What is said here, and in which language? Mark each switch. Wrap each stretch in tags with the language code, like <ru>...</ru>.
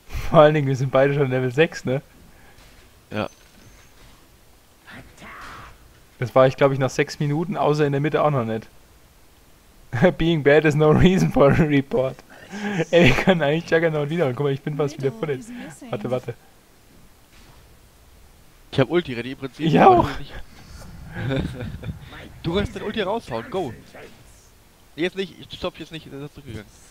<de>Vor allen Dingen, wir sind beide schon Level 6, ne? Ja. Das war ich, glaube ich, nach 6 Minuten, außer in der Mitte auch noch nicht.</de> <en>Being bad is no reason for a report.</en> <de>Ey, wir können eigentlich Juggernaut wieder. Guck mal, ich bin fast wieder voll. Warte. Ich hab Ulti ready im Prinzip. Ich auch! Du kannst dein Ulti raushauen, go! Jetzt nicht, ich stopp jetzt nicht, das ist zurückgegangen.</de>